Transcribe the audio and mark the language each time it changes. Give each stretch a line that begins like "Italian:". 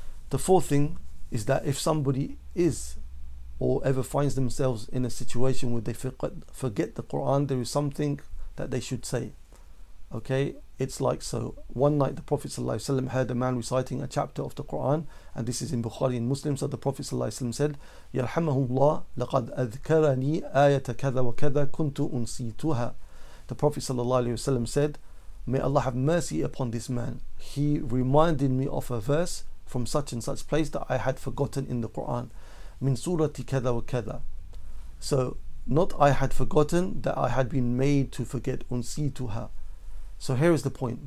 English: The fourth thing is that if somebody is or ever finds themselves in a situation where they forget the Qur'an, there is something that they should say. Okay, it's like so. One night the Prophet ﷺ heard a man reciting a chapter of the Qur'an, and this is in Bukhari and Muslim. So the Prophet ﷺ said,
Arabic: يَرْحَمَهُمُ لَقَدْ أَذْكَرَنِي آيَةَ كَذَا وَكَذَا كُنْتُ أُنْسِيتُهَا.
English: The Prophet ﷺ said, may Allah have mercy upon this man. He reminded me of a verse from such and such place that I had forgotten in the Qur'an.
Arabic: Min surati kada wa kada.
English: So, not I had forgotten, that I had been made to forget. Unsituha. So here is the point.